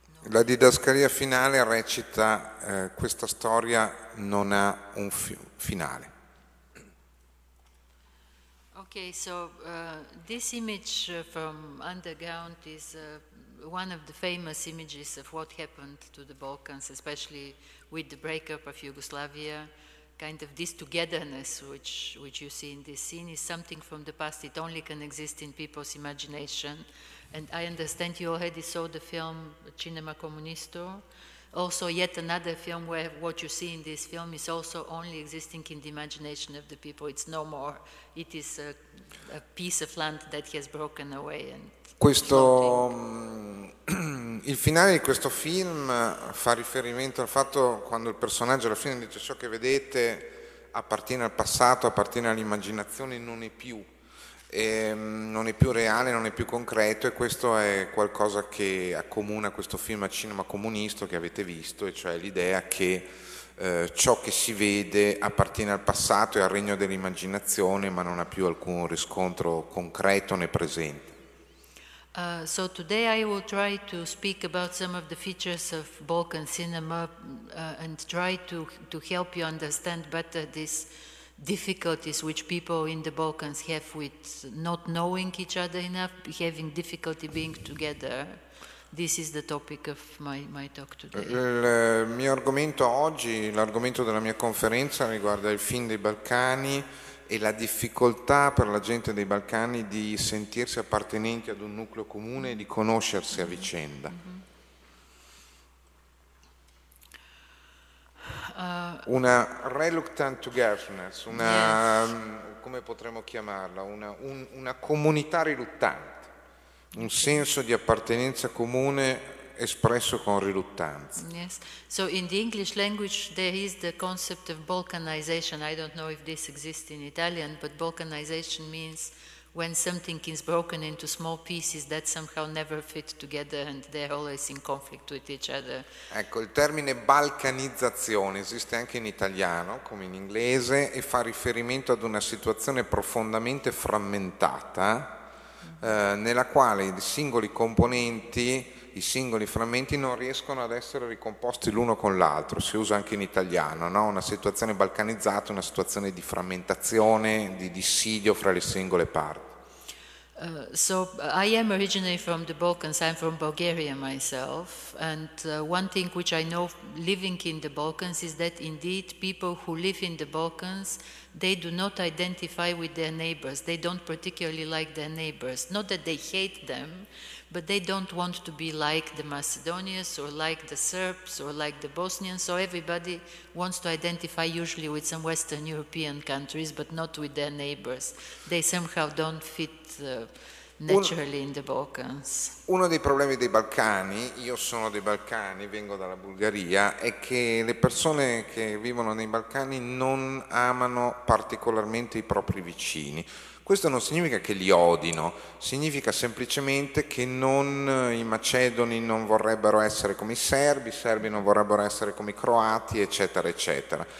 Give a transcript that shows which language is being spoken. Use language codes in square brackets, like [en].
[it] La didascalia finale recita: questa storia non ha un finale. [en] Okay, so this image from underground is one of the famous images of what happened to the Balkans, especially with the breakup of Yugoslavia. Kind of this togetherness which you see in this scene is something from the past. It only can exist in people's imagination. And I understand you already saw the film Cinema Comunisto. Also yet another film where what you see in this film is also only existing in the imagination of the people. It's no more. It is a piece of land that has broken away. And [it] questo il finale di questo film fa riferimento al fatto quando il personaggio alla fine dice: ciò che vedete appartiene al passato, appartiene all'immaginazione, non è più. E non è più reale, non è più concreto, e questo è qualcosa che accomuna questo film a Cinema Comunisto che avete visto, e cioè l'idea che ciò che si vede appartiene al passato e al regno dell'immaginazione, ma non ha più alcun riscontro concreto né presente. [en] So today I will try to speak about some of the features of Balkan cinema and try to help you understand better this difficulties which people in the Balkans have with not knowing each other enough, having difficulty being together. This is the topic of my talk today. [it] Il mio argomento oggi, l'argomento della mia conferenza, riguarda il film dei Balcani e la difficoltà per la gente dei Balcani di sentirsi appartenenti ad un nucleo comune e di conoscersi a vicenda. Una [en] reluctant togetherness, [it] una, [en] yes, [it] come potremmo chiamarla, una comunità riluttante, un senso di appartenenza comune espresso con riluttanza. [en] Yes, so in the English language there is the concept of balkanization. I don't know if this exists in Italian, but balkanization means when something is broken into small pieces that somehow never fit together and they're always in conflict with each other. [it] Ecco, il termine balcanizzazione esiste anche in italiano, come in inglese, e fa riferimento ad una situazione profondamente frammentata, nella quale i singoli componenti, i singoli frammenti non riescono ad essere ricomposti l'uno con l'altro. Si usa anche in italiano, no? Una situazione balcanizzata, una situazione di frammentazione, di dissidio fra le singole parti. [en] So I am originally from the Balkans, I'm from Bulgaria myself, and one thing which I know living in the Balkans is that indeed people who live in the Balkans, they do not identify with their neighbors. They don't particularly like their neighbors. Not that they hate them, but they don't want to be like the Macedonians or like the Serbs or like the Bosnians. So everybody wants to identify usually with some Western European countries, but not with their neighbors. They somehow don't fit naturally in the Balkans. [it] Uno dei problemi dei Balcani, io sono dei Balcani, vengo dalla Bulgaria, è che le persone che vivono nei Balcani non amano particolarmente i propri vicini. Questo non significa che li odino, significa semplicemente che non, i macedoni non vorrebbero essere come i serbi non vorrebbero essere come i croati, eccetera, eccetera.